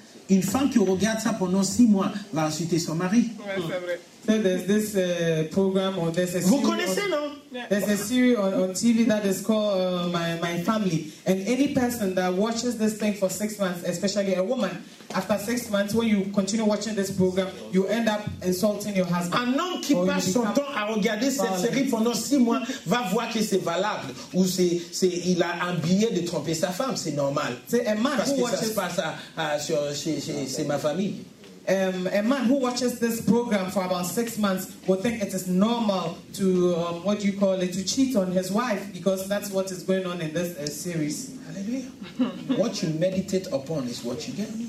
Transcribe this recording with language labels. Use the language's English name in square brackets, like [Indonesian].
[French] Une femme qui regarde ça pendant 6 mois va insulter son mari. Vous connaissez, non? [English] There's a series on TV that is called My Family. And any person that watches this thing for 6 months, especially a woman, after 6 months, when you continue watching this program, you end up insulting your husband. [French] Un homme qui passe son temps à regarder cette série pendant 6 mois va voir que c'est valable. Ou il a un billet de tromper sa femme, c'est normal. C'est un man parce que ça se passe chez ma famille. [English] A man who watches this program for about 6 months will think it is normal to to cheat on his wife, because that's what is going on in this series. Hallelujah. What you meditate upon is what you get.